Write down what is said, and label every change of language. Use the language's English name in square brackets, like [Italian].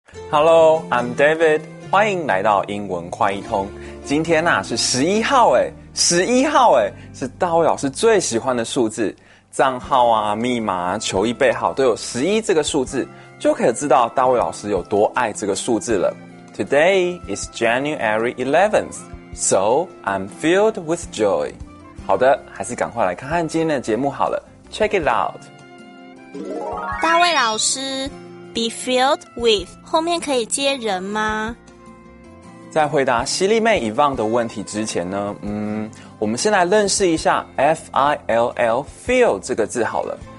[English] Hello, I'm David. [Chinese] 欢迎来到英文快译通。今天啊是11号诶 ,11 号诶是大卫老师最喜欢的数字。账号啊密码啊球衣背号都有11这个数字。就可以知道大卫老师有多爱这个数字了。 [English] Today is January 11th, so I'm filled with joy. [Chinese] 好的还是赶快来看看今天的节目好了。 [English] Check it out. [Chinese] 大卫老师 [English] Be filled with [Chinese] 后面可以接人吗？在回答犀利妹 Yvonne 的问题之前呢，我们先来认识一下 F-I-L-L fill 这个字好了。